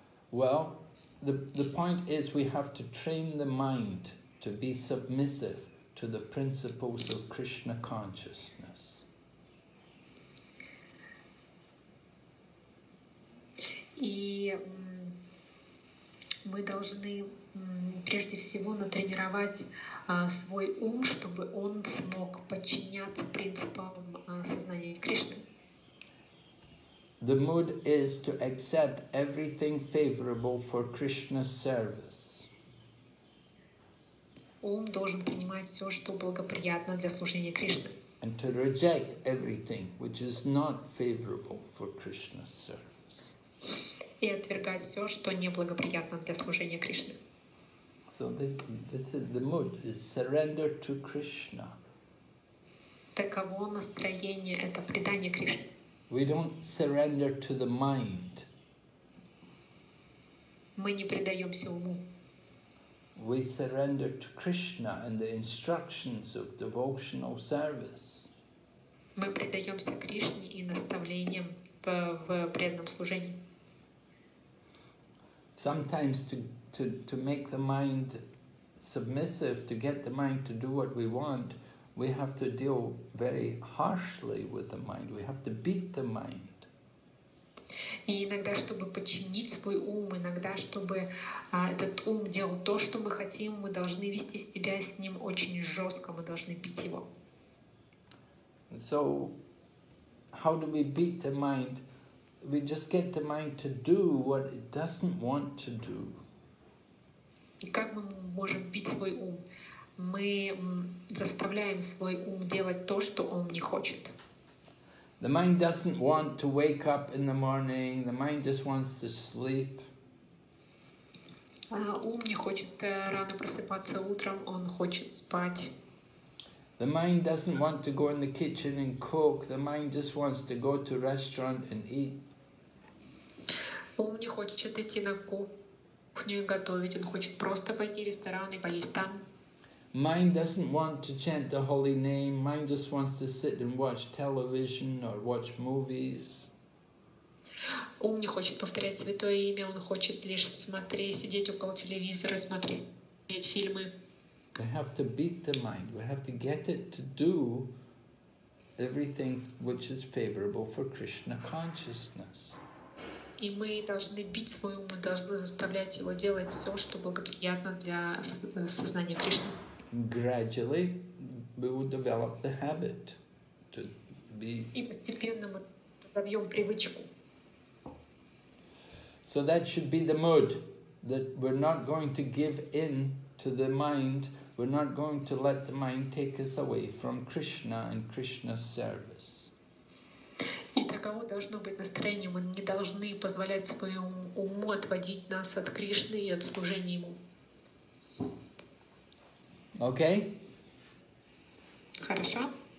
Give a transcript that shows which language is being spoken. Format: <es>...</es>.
<en>Well. The point is, we have to train the mind to be submissive to the principles of Krishna consciousness.</en> <ru>И мы должны прежде всего натренировать свой ум, чтобы он смог подчиняться принципам сознания Кришны.</ru> <en>The mood is to accept everything favorable for Krishna's service.</en> <ru>Ум должен принимать все, что благоприятно для служения Кришне.</ru> <en>And to reject everything which is not favorable for Krishna's service.</en> <ru>И отвергать все, что неблагоприятно для служения Кришне.</ru> <en>So the mood is surrender to Krishna.</en> <ru>Таково настроение, это предание Кришне.</ru> <en>We don't surrender to the mind.</en> <ru>Мы не предаемся уму.</ru> <en>We surrender to Krishna and the instructions of devotional service.</en> <ru>Мы предаемся Кришне и наставлениям в преданном служении.</ru> <en>Sometimes to make the mind submissive, to get the mind to do what we want, we have to deal very harshly with the mind. We have to beat the mind.</en> <ru>И иногда, чтобы подчинить свой ум, иногда, чтобы этот ум делал то, что мы хотим, мы должны вести себя с ним очень жестко, мы должны бить его.</ru> <en>So, how do we beat the mind? We just get the mind to do what it doesn't want to do.</en> <ru>И как мы можем бить свой ум? Мы заставляем свой ум делать то, что он не хочет.</ru> <en>The mind doesn't want to wake up in the morning. The mind just wants to sleep.</en> <ru>Ум не хочет рано просыпаться утром, он хочет спать.</ru> <en>The mind doesn't want to go in the kitchen and cook. The mind just wants to go to a restaurant and eat.</en> <ru>Ум не хочет идти на кухню и готовить. Он хочет просто пойти в ресторан и поесть там.</ru> <en>Mind doesn't want to chant the holy name. Mind just wants to sit and watch television or watch movies.</en> <ru>Ум не хочет повторять святое имя, он хочет лишь смотреть, сидеть около телевизора, смотреть фильмы.</ru> <en>We have to beat the mind. We have to get it to do everything which is favorable for Krishna consciousness.</en> <ru>И мы должны бить свой ум, мы должны заставлять его делать все, что благоприятно для сознания Кришны.</ru> <en>Gradually we will develop the habit to be.</en> <ru>И постепенно мы разовьем привычку.</ru> <en>So that should be the mood, that we're not going to give in to the mind, we're not going to let the mind take us away from Krishna and Krishna's service.</en> <ru>И таково должно быть настроение, мы не должны позволять своему уму отводить нас от Кришны и от служения Ему.</ru> <en>Okay?</en> <ru>Хорошо.</ru>